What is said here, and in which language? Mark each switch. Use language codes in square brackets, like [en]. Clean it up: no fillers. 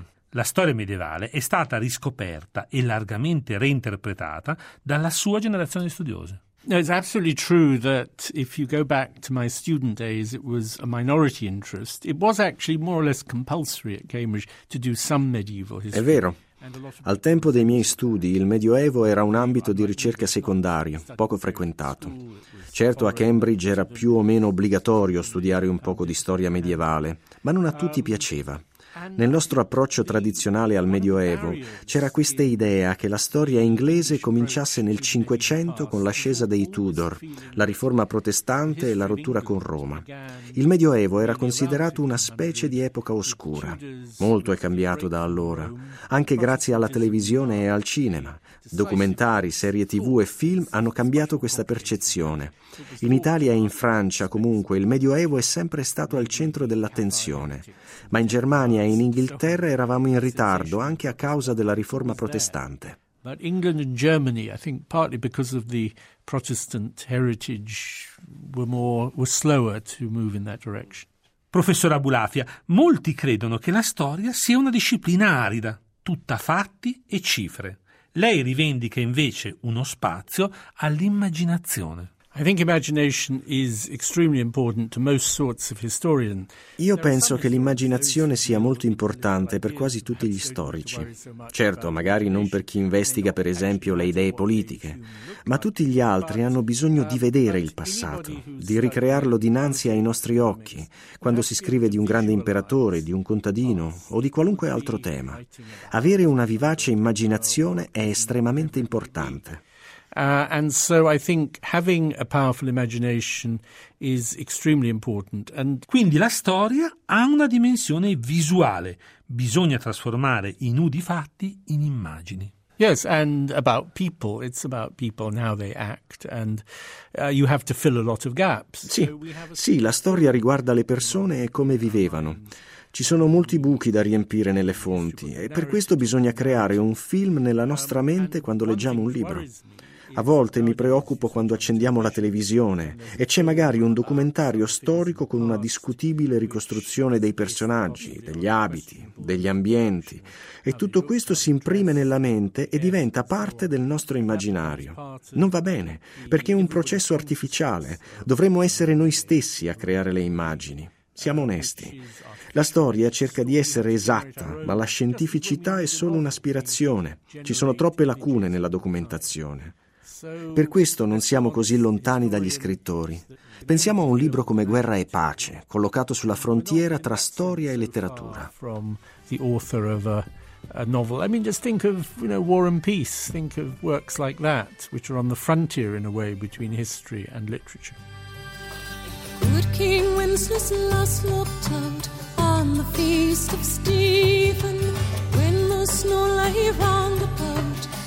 [it] La storia medievale è stata riscoperta e largamente reinterpretata dalla sua generazione di studiosi. [en] No, it's absolutely true that if you go back to my student days, it was a minority interest. It was actually more or less compulsory at Cambridge to do some medieval history. [it] È vero. Al tempo dei miei studi, il Medioevo era un ambito di ricerca secondario, poco frequentato. Certo, a Cambridge era più o meno obbligatorio studiare un poco di storia medievale, ma non a tutti piaceva. Nel nostro approccio tradizionale al Medioevo c'era questa idea che la storia inglese cominciasse nel 500 con l'ascesa dei Tudor, la riforma protestante e la rottura con Roma. Il Medioevo era considerato una specie di epoca oscura. Molto è cambiato da allora, anche grazie alla televisione e al cinema. Documentari, serie TV e film hanno cambiato questa percezione. In Italia e in Francia, comunque, il Medioevo è sempre stato al centro dell'attenzione. Ma in Germania e in Inghilterra eravamo in ritardo anche a causa della riforma protestante. [en] But England and Germany, I think partly because of the Protestant heritage, were slower to move in that direction. [it] Professor Abulafia, molti credono che la storia sia una disciplina arida, tutta fatti e cifre. Lei rivendica invece uno spazio all'immaginazione. [en] I think imagination is extremely important to most sorts of historian. [it] Io penso che l'immaginazione sia molto importante per quasi tutti gli storici. Certo, magari non per chi investiga, per esempio, le idee politiche, ma tutti gli altri hanno bisogno di vedere il passato, di ricrearlo dinanzi ai nostri occhi, quando si scrive di un grande imperatore, di un contadino o di qualunque altro tema. Avere una vivace immaginazione è estremamente importante. [en] And so I think having a powerful imagination is extremely important. And [it] quindi la storia ha una dimensione visuale. Bisogna trasformare i nudi fatti in immagini. [en] Yes, and about people. It's about people and how they act. And you have to fill a lot of gaps. [it] Sì, la storia riguarda le persone e come vivevano. Ci sono molti buchi da riempire nelle fonti, e per questo bisogna creare un film nella nostra mente quando leggiamo un libro. A volte mi preoccupo quando accendiamo la televisione e c'è magari un documentario storico con una discutibile ricostruzione dei personaggi, degli abiti, degli ambienti, e tutto questo si imprime nella mente e diventa parte del nostro immaginario. Non va bene, perché è un processo artificiale. Dovremmo essere noi stessi a creare le immagini. Siamo onesti. La storia cerca di essere esatta, ma la scientificità è solo un'aspirazione. Ci sono troppe lacune nella documentazione. Per questo non siamo così lontani dagli scrittori. Pensiamo a un libro come Guerra e Pace, collocato sulla frontiera tra storia e letteratura. [en] From the author of a novel. I mean, just think of, you know, War and Peace. Think of works like that, which are on the frontier in a way between history and literature. Good King Wenceslas looked out on the feast of Stephen, when the snow lay round about.